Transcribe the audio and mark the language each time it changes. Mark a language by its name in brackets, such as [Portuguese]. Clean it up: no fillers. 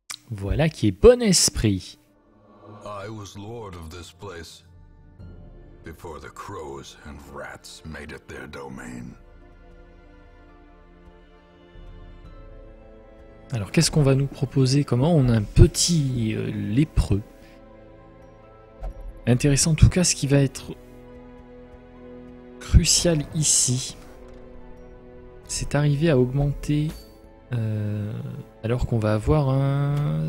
[French] Voilà qui est bon esprit. [English] I was lord of this place before the crows and rats made it their domain. [French] Alors, qu'est-ce qu'on va nous proposer? Comment on a un petit lépreux. Intéressant en tout cas, ce qui va être crucial ici, c'est arriver à augmenter alors qu'on va avoir un...